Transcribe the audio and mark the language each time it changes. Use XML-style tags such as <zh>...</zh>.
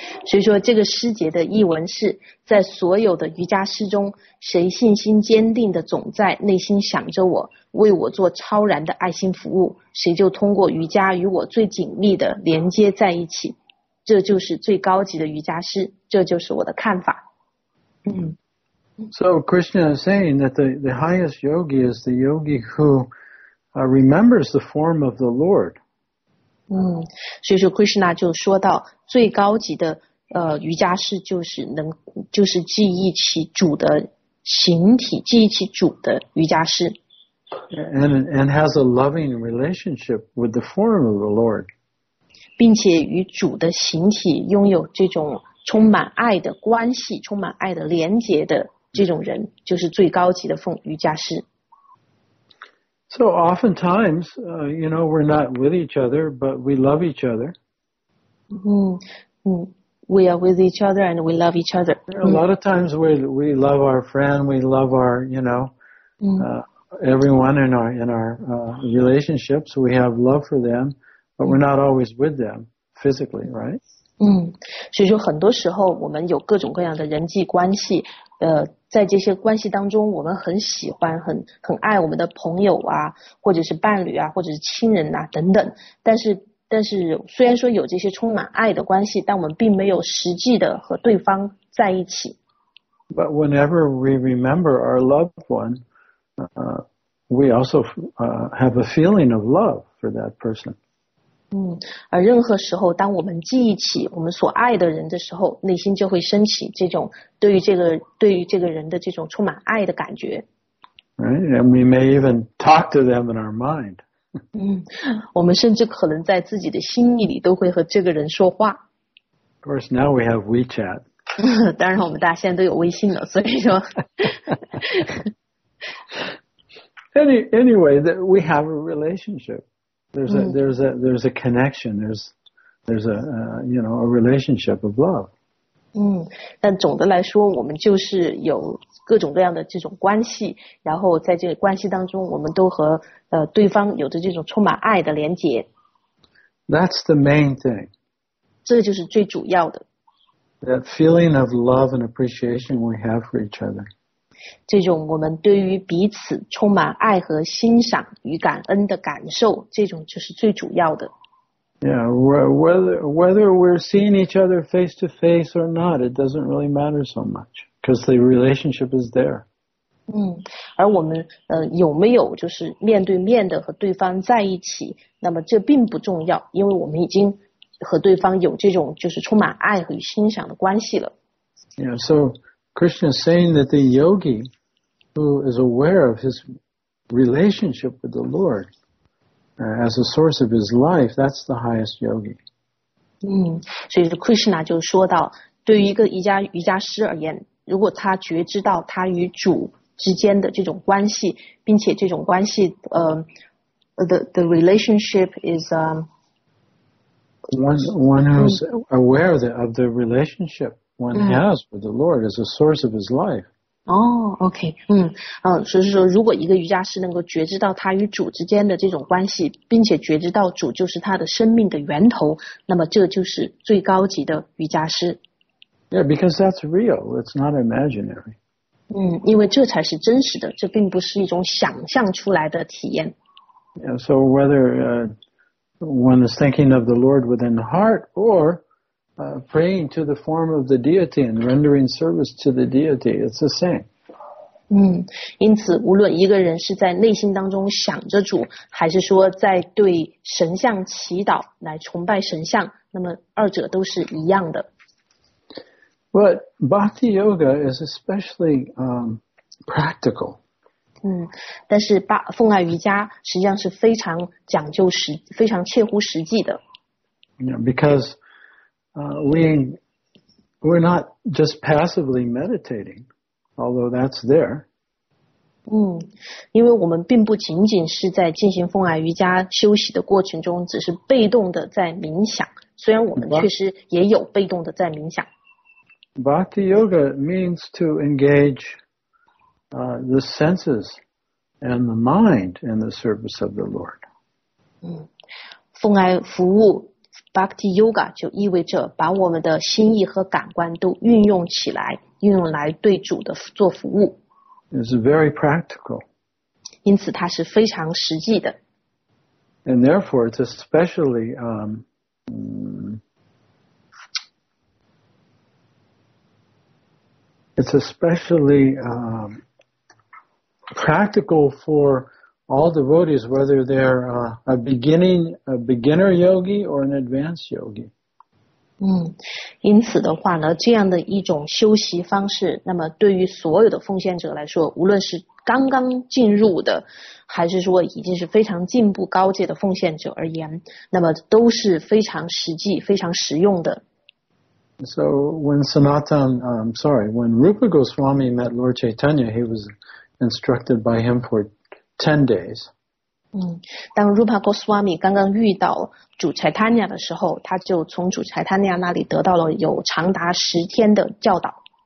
<zh>所以说这个师节的译文是在所有的瑜伽师中，谁信心坚定的总在内心想着我，为我做超然的爱心服务，谁就通过瑜伽与我最紧密的连接在一起，这就是最高级的瑜伽师，这就是我的看法。</zh> <en>So Krishna is saying that the highest yogi is the yogi who remembers the form of the Lord.</en> <zh>所以说 Krishna 就说到最高级的瑜伽师就是能就是记忆起主的形体，记忆起主的瑜伽师。</zh> <en>And has a loving relationship with the form of the Lord.</en> <zh>并且与主的形体拥有这种充满爱的关系，充满爱的连结的这种人，就是最高级的瑜伽师。</zh> <en>So oftentimes, you know, we're not with each other, but we love each other. We are with each other and we love each other. A lot of times we love our friend, we love our, you know, everyone in our relationships. We have love for them, but we're not always with them physically, right?</en> <zh>所以说很多时候我们有各种各样的人际关系，在这些关系当中我们很喜欢很爱我们的朋友啊，或者是伴侣啊，或者是亲人啊等等，但是虽然说有这些充满爱的关系，但我们并没有实际的和对方在一起。</zh> <en>But whenever we remember our loved one, we also have a feeling of love for that person.</en> <zh>而任何时候当我们记忆起我们所爱的人的时候，内心就会升起这种对于这个人的这种充满爱的感觉。</zh> <en>Right, and we may even talk to them in our mind.</en> <zh>我们甚至可能在自己的心意里都会和这个人说话。</zh> <en>Of course, now we have WeChat.</en> <zh>当然我们大家现在都有微信了，所以说</zh> <en>Anyway, we have a relationship. There's a connection. There's a relationship of love.</en> <zh>但总的来说，我们就是有各种各样的这种关系，然后在这个关系当中，我们都和对方有着这种充满爱的连结。</zh> <en>That's the main thing.</en> <zh>这就是最主要的。</zh> <en>That feeling of love and appreciation we have for each other.</en> <zh>这种我们对于彼此充满爱和欣赏与感恩的感受，这种就是最主要的。</zh> <en>Yeah, whether we're seeing each other face to face or not, it doesn't really matter so much because the relationship is there.</en> <zh>而我们有没有就是面对面的和对方在一起，那么这并不重要，因为我们已经和对方有这种就是充满爱和欣赏的关系了。</zh> <en>Yeah, so Krishna is saying that the yogi who is aware of his relationship with the Lord as a source of his life, that's the highest yogi.</en> <zh>所以 Krishna 就说到，对于一个瑜伽师而言，如果他觉知到他与主之间的这种关系，并且这种关系</zh> <en>the relationship is one who's aware of the relationship one has with the Lord as a source of his life.</en> <zh>OK, 所以说如果一个瑜伽师能够觉知到他与主之间的这种关系，并且觉知到主就是他的生命的源头，那么这就是最高级的瑜伽师。</zh> <en>Yeah, because that's real, it's not imaginary.</en> <zh>因为这才是真实的，这并不是一种想象出来的体验。</zh> <en>Yeah, so whether one is thinking of the Lord within the heart or praying to the form of the deity and rendering service to the deity, it's the same.</en> <zh>因此无论一个人是在内心当中想着主，还是说在对神像祈祷来崇拜神像，那么二者都是一样的。</zh> <en>But Bhakti Yoga is especially practical.</en> <zh>但是奉爱瑜伽实际上是非常讲究实，非常切乎实际的。</zh> <en>Yeah, because we're not just passively meditating. although that's there.</en> <zh>嗯，因为我们并不仅仅是在进行风爱瑜伽休息的过程中，只是被动的在冥想。虽然我们确实也有被动的在冥想。</zh> <en>Bhakti yoga means to engage, the senses and the mind in the service of the Lord.</en> <zh>嗯，风爱服务 Bhakti yoga 就意味着把我们的心意和感官都运用起来，运用来对主的做服务。</zh> <en>Is very practical.</en> <zh>因此它是非常实际的。</zh> <en>And therefore, it's especially, practical for all devotees, whether they're a beginner yogi or an advanced yogi.</en> <zh>嗯，因此的话呢，这样的一种修习方式，那么对于所有的奉献者来说，无论是刚刚进入的，还是说已经是非常进步高阶的奉献者而言，那么都是非常实际、非常实用的。</zh> <en>So when when Rupa Goswami met Lord Chaitanya, he was instructed by him for 10 days.</en> <zh>嗯，当 Rupa Goswami 刚刚遇到主 Chaitanya 的时候，他就从主 Chaitanya 那里得到了有长达10天的教导。</zh>